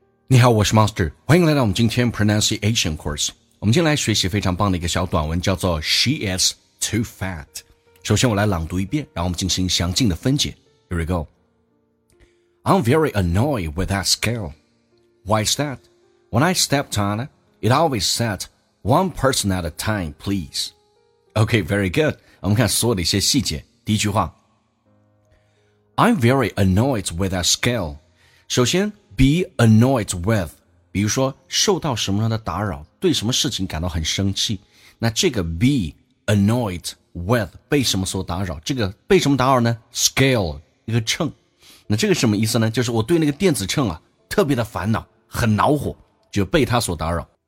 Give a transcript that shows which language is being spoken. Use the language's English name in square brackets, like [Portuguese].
[Chinese] 你好，我是 Monster， 欢迎来到我们今天 Pronunciation Course。我们今天来学习非常棒的一个小短文，叫做 She is too fat。首先我来朗读一遍，然后我们进行详尽的分解。 [English] Here we go. I'm very annoyed with that scale. Why is that? When I stepped on it, it always said one person at a time, please. OK, very good. [Chinese] 我们看所有的一些细节。 [English] 第一句话， I'm very annoyed with that scale. [Chinese] 首先Be annoyed with, 比如说受到什么样的打扰，对什么事情感到很生气。那这个 be annoyed with, 被什么所打扰，这个被什么打扰呢？ scale, 一个秤。那这个什么意思呢？就是我对那个电子秤啊特别的烦恼，很恼火，就被它所打扰。